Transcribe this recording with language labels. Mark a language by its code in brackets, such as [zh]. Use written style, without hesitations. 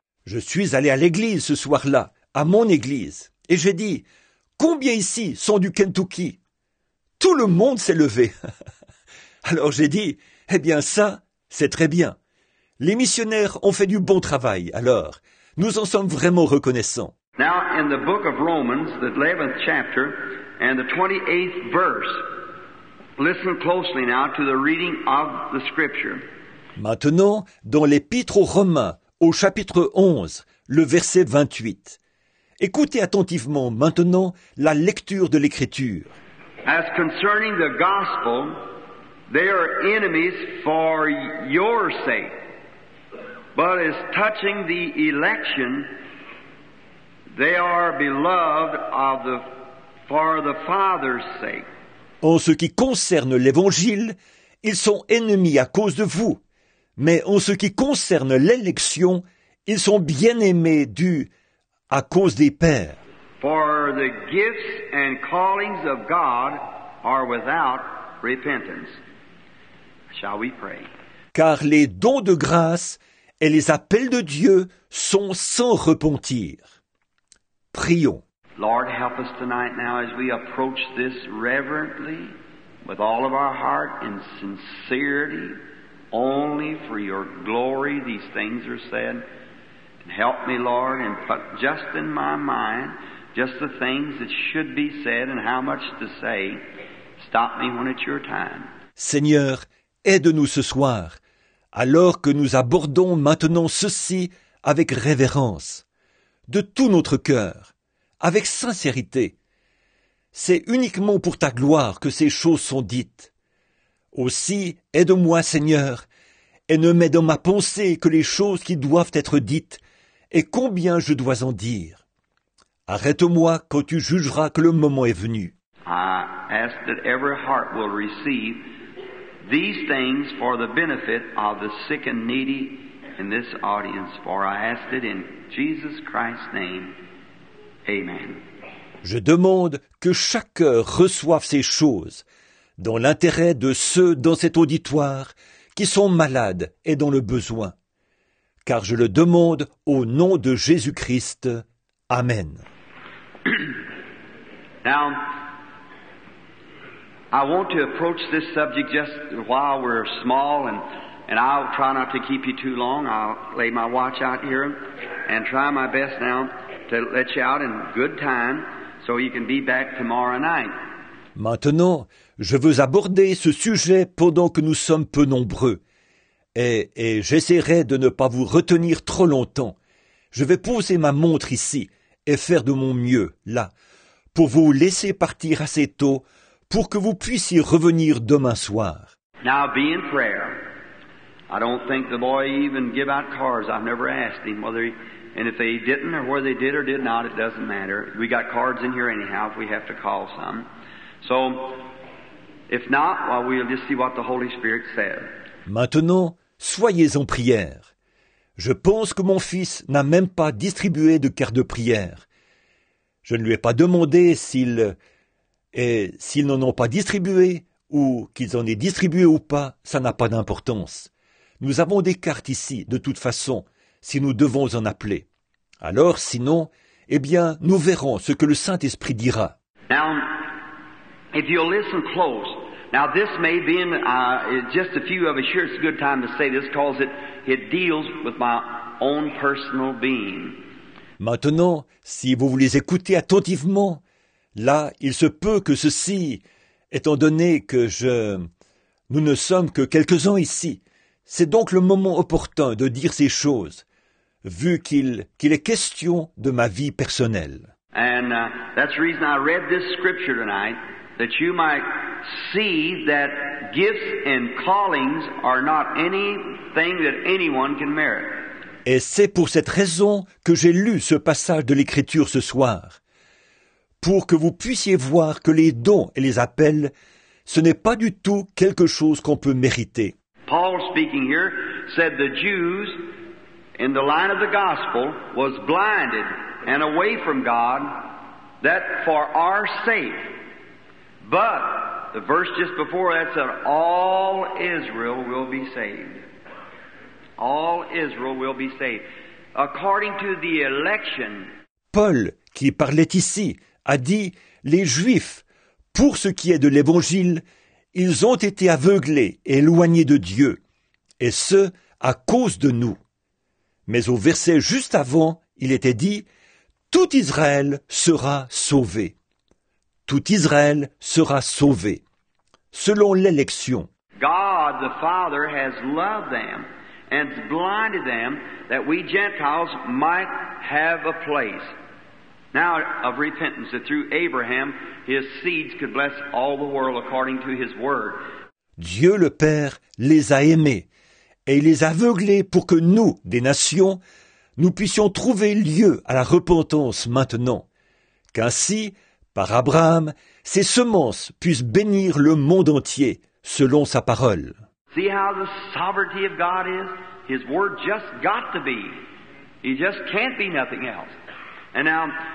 [fr] Je suis allé à l'église ce soir-là, à mon église, et j'ai dit, "Combien ici sont du Kentucky?" Tout le monde s'est levé. Alors j'ai dit, "Eh bien ça, c'est très bien. Les missionnaires ont fait du bon travail, alors. Nous en sommes vraiment reconnaissants." [en] Now, in the book of Romans, the 11th chapter, and the 28th verse, listen closely now to the reading of the scripture. [fr] Maintenant, dans l'Épître aux Romains, au chapitre 11, le verset 28. Écoutez attentivement maintenant la lecture de l'Écriture. [en] As concerning the gospel, they are enemies for your sake. But as touching the election, they are beloved of the, for the Father's sake. [fr] En ce qui concerne l'Évangile, ils sont ennemis à cause de vous. Mais en ce qui concerne l'élection, ils sont bien aimés à cause des pères. [en] For the gifts and callings of God are without repentance. Shall we pray? [fr] Car les dons de grâce et les appels de Dieu sont sans repentir. Prions. [en] Lord, help us tonight now as we approach this reverently with all of our heart and sincerity. Only for your glory these things are said. And help me, Lord, and put just in my mind just the things that should be said and how much to say. Stop me when it's your time. [fr] Seigneur, aide-nous ce soir, alors que nous abordons maintenant ceci avec révérence, de tout notre cœur, avec sincérité. C'est uniquement pour ta gloire que ces choses sont dites. Aussi, aide-moi, Seigneur, et ne mets dans ma pensée que les choses qui doivent être dites et combien je dois en dire. Arrête-moi quand tu jugeras que le moment est venu. [en] I ask that every heart will receive these things for the benefit of the sick and needy in this audience, for I ask it in Jesus Christ's name. Amen. [fr] Je demande que chaque cœur reçoive ces choses dans l'intérêt de ceux dans cet auditoire qui sont malades et dans le besoin. Car je le demande au nom de Jésus-Christ. Amen. [en] Now, I want to approach this subject just while we're small, and I'll try not to keep you too long. I'll lay my watch out here and try my best now to let you out in good time so you can be back tomorrow night. [fr] Maintenant, je veux aborder ce sujet pendant que nous sommes peu nombreux. Et j'essaierai de ne pas vous retenir trop longtemps. Je vais poser ma montre ici et faire de mon mieux, là, pour vous laisser partir assez tôt pour que vous puissiez revenir demain soir. [en] Now be in prayer. I don't think the boy even give out cars. I've never asked him whether he... And if they didn't or whether they did or did not, it doesn't matter. We got cards in here anyhow if we have to call some. So, if not, well, we'll just see what the Holy Spirit said. [fr] Maintenant, soyez en prière. Je pense que mon fils n'a même pas distribué de carte de prière. Je ne lui ai pas demandé s'ils n'en ont pas distribué ou qu'ils en aient distribué ou pas, ça n'a pas d'importance. Nous avons des cartes ici, de toute façon, si nous devons en appeler. Alors, sinon, eh bien, nous verrons ce que le Saint-Esprit dira. [en] Now, if you'll listen close, now this may be in just a few of us here, it's a good time to say this because it deals with my own personal being. [fr] Maintenant, si vous voulez écouter attentivement, là, il se peut que ceci, étant donné que nous ne sommes que quelques-uns ici, c'est donc le moment opportun de dire ces choses, vu qu'il est question de ma vie personnelle. [en] And that's the reason I read this scripture tonight. That you might see that gifts and callings are not anything that anyone can merit. [fr] Et c'est pour cette raison que j'ai lu ce passage de l'Écriture ce soir, pour que vous puissiez voir que les dons et les appels, ce n'est pas du tout quelque chose qu'on peut mériter. [en] Paul, speaking here, said the Jews in the line of the gospel was blinded and away from God, that for our sake. But the verse just before that said, all Israel will be saved. All Israel will be saved. According to the election. [fr] Paul, qui parlait ici, a dit, les Juifs, pour ce qui est de l'Évangile, ils ont été aveuglés et éloignés de Dieu, et ce, à cause de nous. Mais au verset juste avant, il était dit, tout Israël sera sauvé. Tout Israël sera sauvé, selon l'élection. [en] God the Father has loved them and blinded them that we Gentiles might have a place. Now of repentance, that through Abraham his seeds could bless all the world according to his word. [fr] Dieu le Père les a aimés et les a aveuglés pour que nous, des nations, nous puissions trouver lieu à la repentance maintenant. Qu'ainsi, par Abraham, ses semences puissent bénir le monde entier, selon sa parole. [en] See how the sovereignty of God is? His word just got to be. He just can't be nothing else. And now,